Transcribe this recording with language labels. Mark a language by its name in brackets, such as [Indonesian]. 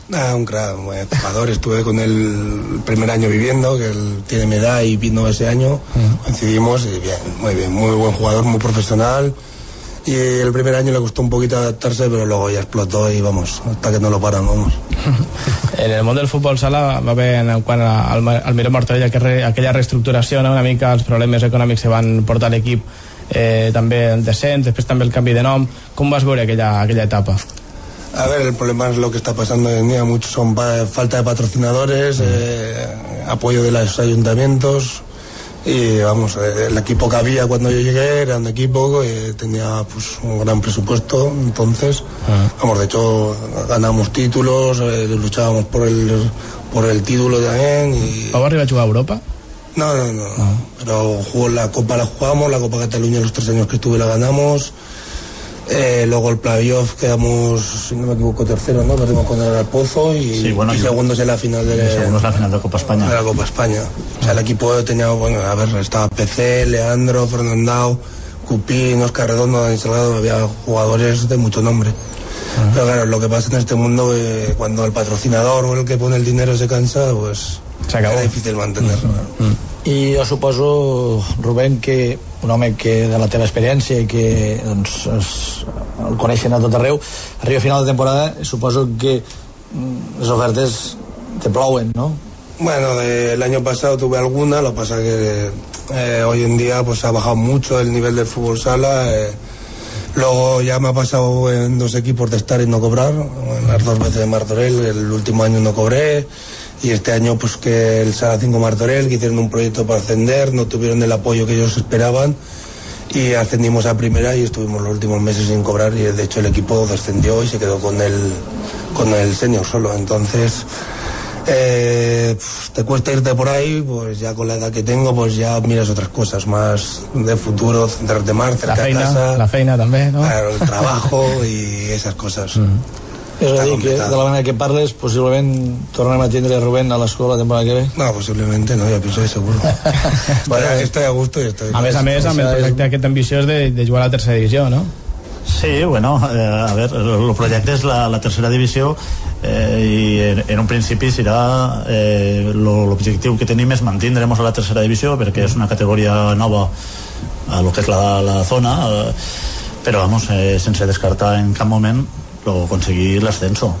[Spanish] Ah, un gran jugador, estuve con él el primer año viviendo, que él tiene mi edad y vino ese año, coincidimos, y bien, muy bien, muy buen jugador, muy profesional. Y el primer año le costó un poquito adaptarse, pero luego ya explotó y vamos, hasta que no lo paran, vamos. [Catalan] En el món del futbol sala va haver, quan al Miro Martorell, aquella reestructuració, no? Una mica els problemes econòmics que van portar l'equip, també el descens, després també el canvi de nom. Com vas veure aquella etapa? [Spanish] A ver, el problema es lo que está pasando hoy en día, mucho son falta de patrocinadores, apoyo de los ayuntamientos... Y vamos, el equipo que había cuando yo llegué era un equipo que tenía pues un gran presupuesto, entonces, vamos, de hecho ganamos títulos, luchábamos por el título también. Y... [Catalan] ¿Pau arriba a jugar a Europa? [Spanish] No. Pero la Copa la jugamos, la Copa Cataluña los 3 años que estuve la ganamos, Luego el playoff quedamos, si no me equivoco, tercero, ¿no? Perdimos con el Pozo y, sí, bueno, y segundos en la final de la final de Copa España. De la Copa España. O sea, el equipo tenía, bueno, a ver, estaba PC, Leandro, Fernandao, Cupín, Oscar Redondo, Dani Salgado, había jugadores de mucho nombre. Uh-huh. Pero claro, lo que pasa en este mundo, cuando el patrocinador o el que pone el dinero se cansa, pues era difícil mantenerlo. Uh-huh. Uh-huh. [Catalan] I jo suposo, Rubén, que un home que de la teva experiència i que doncs, el coneixen a tot arreu, arriba a final de temporada, suposo que les ofertes te plouen, no? [Spanish] Bueno, el año pasado tuve alguna, lo que pasa que hoy en día pues, ha bajado mucho el nivel del fútbol sala. Luego ya me ha pasado en dos equipos de estar y no cobrar, las dos veces de Martorell, el último año no cobré. Y este año, pues que el Sala 5 Martorell, que hicieron un proyecto para ascender, no tuvieron el apoyo que ellos esperaban. Y ascendimos a primera y estuvimos los últimos meses sin cobrar. Y de hecho el equipo descendió y se quedó con el senior solo. Entonces, te cuesta irte por ahí, pues ya con la edad que tengo, pues ya miras otras cosas. Más de futuro, centrarte más, cerca [Catalan] la feina, a casa. [Spanish] La feina también, ¿no? El trabajo y esas cosas. Mm. [Catalan] És a dir, que de la manera que parles, possiblement tornem a tindre Rubén a l'escola la temporada que ve. No, possiblement no, jo penso que segur. [Spanish] Bueno, estoy a gusto y estoy... [Catalan] A més, amb el projecte aquest ambiciós de jugar a la tercera divisió, no? Sí, bueno, a ver, el projecte és la tercera divisió i en un principi serà l'objectiu que tenim és mantindremos a la tercera divisió perquè és una categoria nova a lo que és la zona, però vamos, sense descartar en cap moment luego conseguir el ascenso.